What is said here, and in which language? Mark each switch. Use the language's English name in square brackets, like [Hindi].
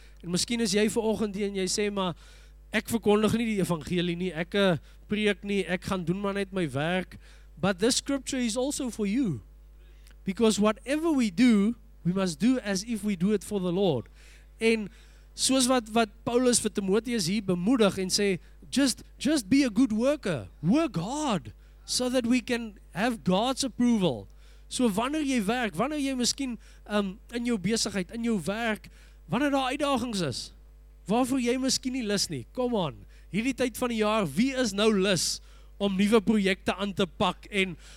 [Afrikaans] En miskien is jy vanoggend hier en jy sê maar ek verkondig nie die evangelie nie, ek preek nie, ek gaan doen maar net my werk. [English] But this scripture is also for you. Because whatever we do, we must do as if we do it for the Lord. [Afrikaans] En soos wat Paulus vir Timoteus hier bemoedig en sê, [English] just be a good worker. Work hard so that we can have God's approval. [Afrikaans] So wanneer jy werk, wanneer jy miskien in jou besigheid, in jou werk, wanneer daar uitdagings is, waarvoor jy miskien nie lus nie, [English] come on, [Afrikaans] hierdie tyd van die jaar, wie is nou lus om nuwe projekte aan te pak en